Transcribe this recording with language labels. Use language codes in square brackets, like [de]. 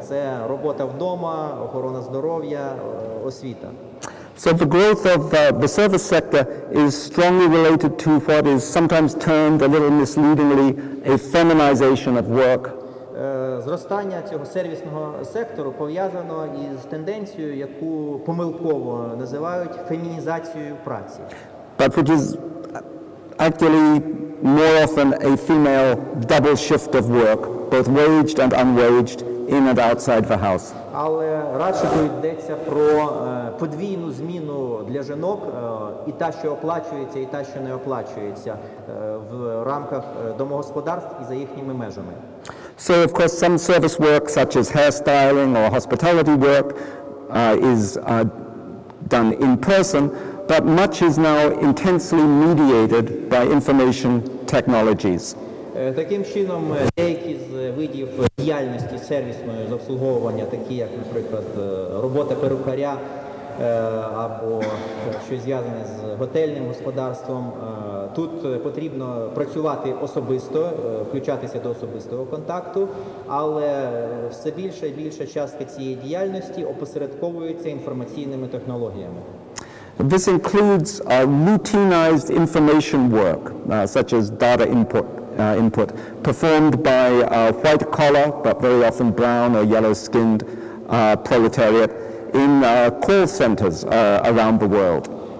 [uk] Це робота вдома, охорона здоров'я, освіта. [en] So the growth of the service sector is strongly related to what is sometimes termed a little misleadingly a feminization of work. [uk] Зростання цього сервісного сектору пов'язано із тенденцією, яку помилково називають фемінізацією праці. [en] But which is actually more often a female double shift of work, both waged and unwaged, in and outside the house. [uk] Але радше йдеться про подвійну зміну для жінок, і та, що оплачується, і та, що не оплачується, в рамках домогосподарств і за їхніми межами. [en] So, of course, some service work, such as hairstyling or hospitality work, is done in person, but much is now intensely mediated by information technologies. [uk] Таким чином, деякі з видів діяльності сервісної з обслуговування, такі як, наприклад, робота перукаря або що зв'язане з готельним господарством, тут потрібно працювати особисто, включатися до особистого контакту, але все більше і більше частка цієї діяльності опосередковується інформаційними технологіями. [en] This includes routinized information work, such as data input, performed by white collar, but very often brown or yellow skinned proletariat in call centers around the world.